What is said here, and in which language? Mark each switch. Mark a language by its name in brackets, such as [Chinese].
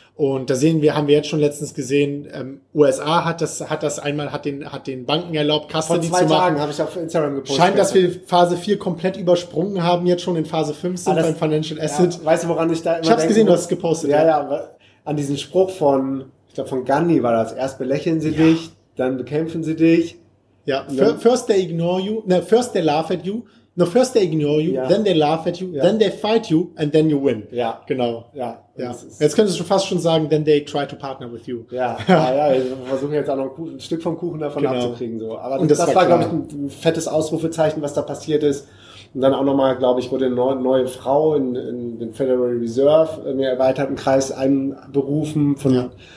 [German] Und da sehen wir, haben wir jetzt schon letztens gesehen, USA hat den Banken erlaubt, Custody zu machen. Vor zwei Tagen habe ich auf Instagram gepostet. Scheint, dass wir Phase 4 komplett übersprungen haben, jetzt schon in Phase 5 sind beim Financial Asset. Ja, weißt du, woran ich da immer denke? Ich habe gesehen, du hast es gepostet. Ja, an diesen Spruch von Gandhi war das. Erst belächeln sie dich, dann bekämpfen sie dich. [English] Ja, first they ignore you, first they laugh at you, No, first they ignore you, ja. Then they laugh at you, ja. Then they fight you, and then you win. [German] Ja. Genau. Ja. Ja. Jetzt könntest du fast schon sagen, [English] then they try to partner with you. [German] Ja, ja, ja, wir versuchen jetzt auch noch ein Stück vom Kuchen davon genau. abzukriegen. So. Aber und das war, glaube ich, ein fettes Ausrufezeichen, was da passiert ist. Und dann auch nochmal, glaube ich, wurde eine neue Frau in den Federal Reserve in den erweiterten Kreis einberufen, von ja.